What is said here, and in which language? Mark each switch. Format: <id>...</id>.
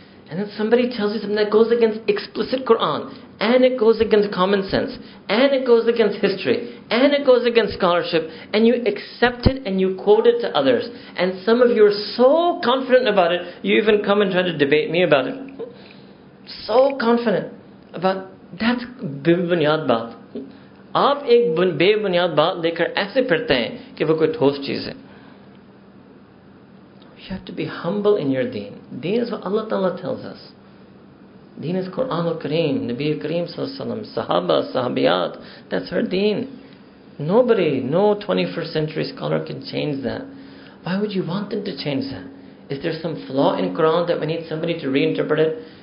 <en>And then somebody tells you something that goes against explicit Quran, and it goes against common sense, and it goes against history, and it goes against scholarship, and you accept it and you quote it to others. And some of you are so confident about it, you even come and try to debate me about it. So confident. But that's</en> <ur>bebuniyad baat. آپ ایک بےبنیاد بات لے کر ایسے پھرتے ہیں کہ وہ کوئی ٹھوس چیز ہے.</ur> <en>You have to be humble in your deen. Deen is what Allah Ta'ala tells us. Deen is Quran al-Kareem, Nabi al-Kareem sallallahu alayhi wa sallam, Sahaba, Sahabiyat. That's our deen. Nobody, no 21st century scholar can change that. Why would you want them to change that? Is there some flaw in Quran that we need somebody to reinterpret it?</en>